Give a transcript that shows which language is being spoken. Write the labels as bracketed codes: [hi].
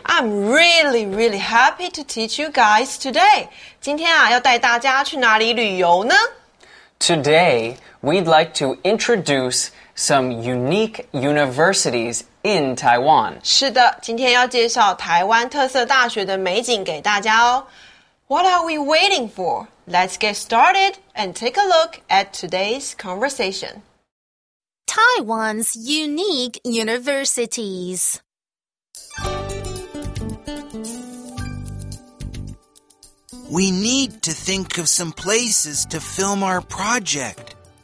[en] I'm really, really happy to teach you guys today. [zh] 今天啊，要带大家去哪里旅游呢？ [en] Today, we'd like to introduce some unique universities in Taiwan. [zh] 是的，今天要介绍台湾特色大学的美景给大家哦。 [en] What are we waiting for? Let's get started and take a look at today's conversation. Taiwan's unique universities. We need to think of some places to film our project.